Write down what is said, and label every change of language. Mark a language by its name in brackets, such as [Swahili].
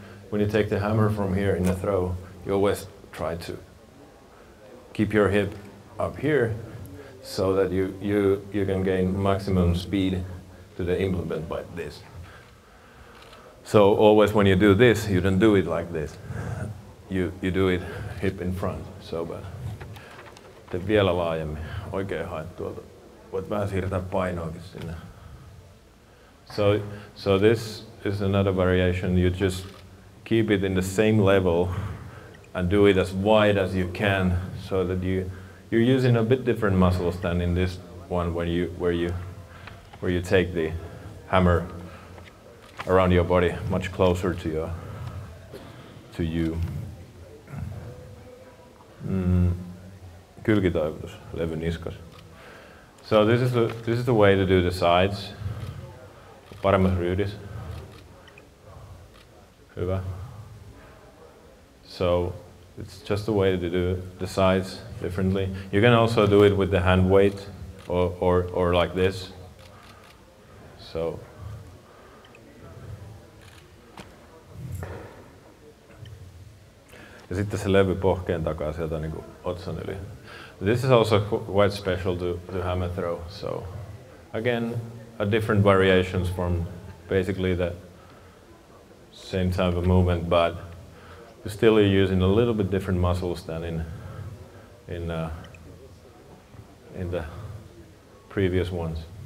[English] When you take the hammer from here in the throw, you always try to keep your hip up here so that you can gain maximum speed to the implement by this. So always when you do this, you don't do it like this. You do it hip in front. So bad. [Finnish] Sitten vielä laajemmin, oikein haet tuolta. Voit vähän siirtää painoakin sinne. [English] So this is another variation. You just keep it in the same level and do it as wide as you can so that you're using a bit different muscles than in this one where you take the hammer around your body much closer to you. [Finnish] Kylkitaivutus, levy niskas. [English] So this is the way to do the sides. [Finnish] Paremmas ryhdys. Hyvä. [English] So it's just the way to do the sides differently. You can also do it with the hand weight or like this. [Finnish] So ja sitten se levy pohkeen takaa sieltä niinku otsan yli. [English] This is also quite special to hammer throw. So again, a different variations from basically the same type of movement, but you're still using a little bit different muscles than in the previous ones.